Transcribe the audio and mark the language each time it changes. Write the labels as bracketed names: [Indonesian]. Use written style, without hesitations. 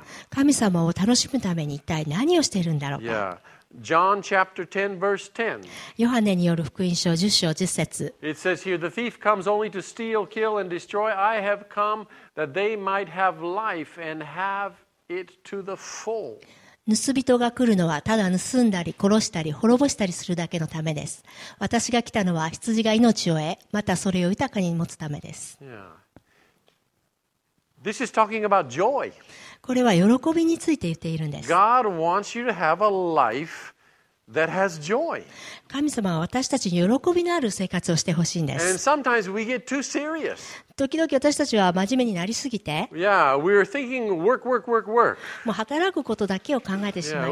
[Japanese] 神様を楽しむために一体何をしているんだろうか。 [English] John chapter 10 verse 10. [Japanese] ヨハネによる福音書10章10節。 [English] It says here, the thief comes only to steal, kill, and destroy. I have come that they might have life and have it to the full. [Japanese] 盗人が来るのはただ盗んだり殺したり滅ぼしたりするだけのためです。私が来たのは羊が命を得、またそれを豊かに持つためです。 [English] Yeah. This is talking about joy. [Japanese] これは喜びについて言っているんです。 [English] God wants you to have a life that has joy. [Japanese] 神様は私たちに喜びのある生活をしてほしいんです。 [English] And sometimes we get too serious. [Japanese] 時々私たちは真面目になりすぎて、 [English] yeah, we're thinking work, work, work, work. [Japanese] もう働くことだけを考えてしまい